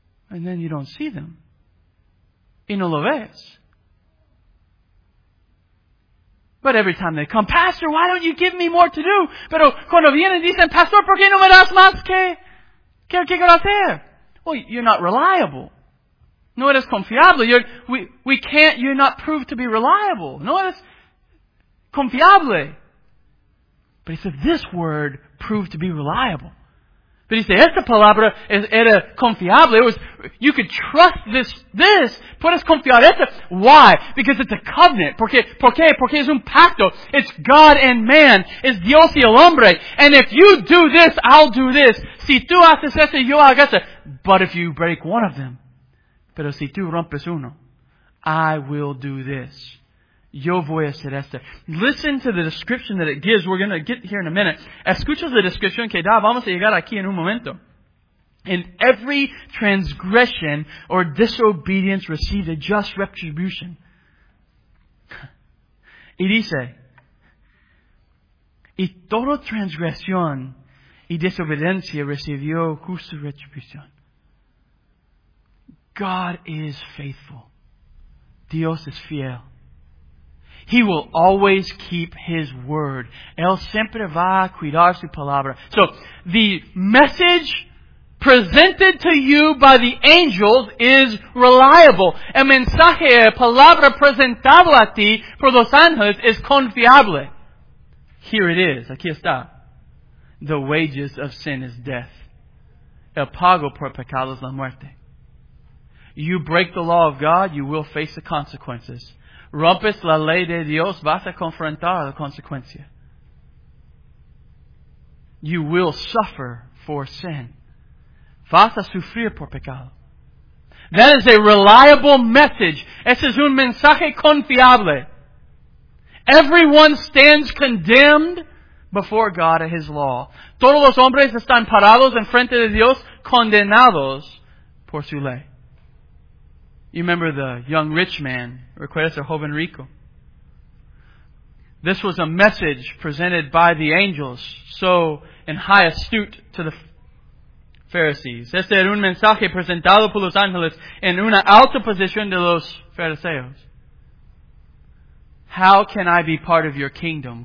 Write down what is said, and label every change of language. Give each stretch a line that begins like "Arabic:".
English: And then you don't see them.
Spanish: Y no lo ves.
English: But every time they come, Pastor, why don't you give me more to do?
Spanish: Pero cuando vienen, dicen, Pastor, ¿por qué no me das más que quiero hacer?
English: Well, you're not reliable.
Spanish: No eres confiable.
English: You're not proved to be reliable.
Spanish: No eres confiable.
English: But he said, this word proved to be reliable. But he said,
Spanish: esta palabra era confiable.
English: It was, you could trust this.
Spanish: Puedes confiar esta.
English: Why? Because it's a covenant.
Spanish: ¿Por qué? Porque es un pacto.
English: It's God and man. It's
Spanish: Dios y el hombre.
English: And if you do this, I'll do this.
Spanish: Si tú haces esto, yo hago esto.
English: But if you break one of them,
Spanish: pero si tú rompes uno,
English: I will do this.
Spanish: Yo voy a hacer esto.
English: Listen to the description that it gives. We're going to get here in a minute.
Spanish: Escuchas la descripción que da. Vamos a llegar aquí en un momento.
English: And every transgression or disobedience received a just retribution.
Spanish: Y dice, y toda transgresión y desobediencia recibió justa retribución.
English: God is faithful.
Spanish: Dios es fiel.
English: He will always keep His word.
Spanish: Él siempre va a cuidar su palabra.
English: So, the message presented to you by the angels is reliable.
Spanish: El mensaje, palabra presentado a ti por los ángeles es confiable.
English: Here it is.
Spanish: Aquí está.
English: The wages of sin is death.
Spanish: El pago por pecado es la muerte.
English: You break the law of God, you will face the consequences.
Spanish: Rompes la ley de Dios, vas a confrontar la consecuencia.
English: You will suffer for sin.
Spanish: Vas a sufrir por pecado.
English: That is a reliable message.
Spanish: Ese es un mensaje confiable.
English: Everyone stands condemned before God at His law.
Spanish: Todos los hombres están parados en frente de Dios, condenados por su ley.
English: You remember the young rich man,
Spanish: recuerdas el joven rico.
English: This was a message presented by the angels, so in high astute to the Pharisees.
Spanish: Este era un mensaje presentado por los ángeles en una alta posición de los fariseos.
English: How can I be part of your kingdom?